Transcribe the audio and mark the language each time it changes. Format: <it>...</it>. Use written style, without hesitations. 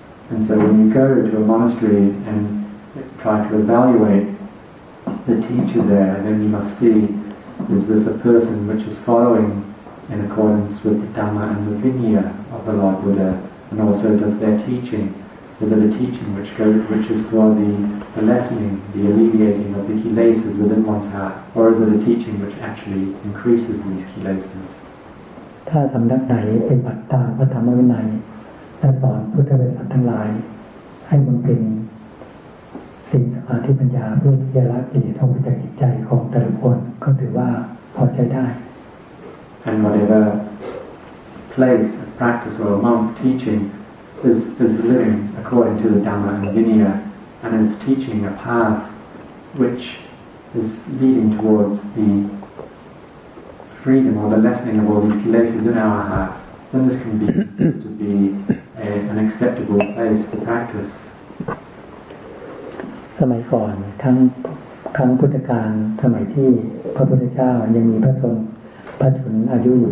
<en>And so when you go to a monastery and try to evaluate the teacher there then you must see is this a person which is followingin accordance with the Dhamma and the Vinaya of the Lord Buddha and also does their teaching is it a teaching which is for the lessening, the alleviating of the kilesas within one's heart or is it a teaching which actually increases these kilesas</en> <th>ถ้าสำนักไหนปฏิบัติตามพระธรรมวินัยและสอนพุทธบริษัททั้งหลายให้มันเป็นศีลสมาธิปัญญาเพื่อที่จะละกิเลสออกจากจิตใจของแต่ละคนก็ถือว่าพอใช้ได้</th> <en>And whatever place of practice or a monk teaching is living according to the Dhamma and Vinaya and is teaching a path which is leading towards the freedom or the lessening of all these kilesas in our hearts, then this can be considered to be an acceptable place for practice.</en> <th>สมัยก่อนทั้งพุทธกาลสมัยที่พระพุทธเจ้ายังมีพระชนม์ปัจจุบันอายุอยู</th>